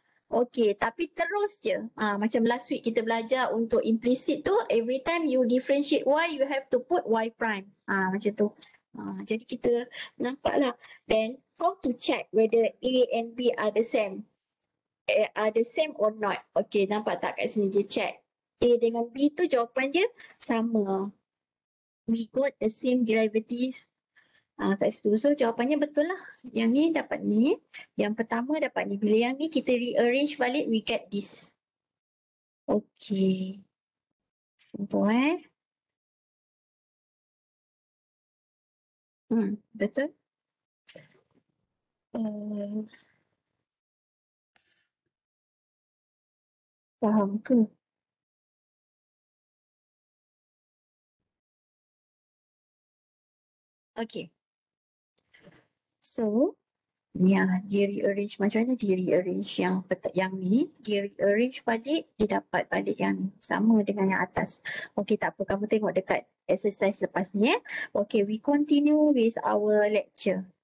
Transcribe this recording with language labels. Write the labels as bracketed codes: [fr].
[en] Okay, tapi terus je. Macam last week kita belajar untuk implicit tu, every time you differentiate y, you have to put y prime. Macam tu. [ms] Jadi kita nampaklah. [en] Then, how to check whether a and b are the same? Are the same or not? Okay, nampak tak kat sini dia check. [ms] A dengan b tu jawapan dia sama. [en] We got the same derivatives. [ms] Kat situ. So jawapannya betul lah. Yang ni dapat ni. Yang pertama dapat ni. Bila yang ni kita rearrange balik, we get this. Okay. Contoh eh. Betul? Faham ke? Okay. So, ya, dia rearrange. Macam mana dia rearrange yang petak yang ni? Dia rearrange balik, dia dapat balik yang ni. Sama dengan yang atas. Okey, tak apa. Kamu tengok dekat exercise lepas ni. Eh? [en] Okey, we continue with our lecture.